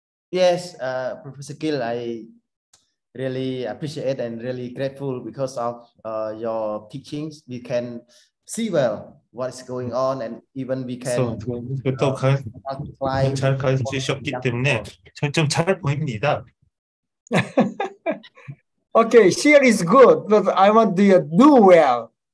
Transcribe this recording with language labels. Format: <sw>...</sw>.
<en>Yes, Professor Gill, I really appreciate and really grateful because of your teachings. We can see well what is going on, and even we can.</en> <ko>So, 잘 가르치셨기 때문에 전 좀 잘 보입니다.</ko> <en>Okay, share is good, but I want to do well.</en>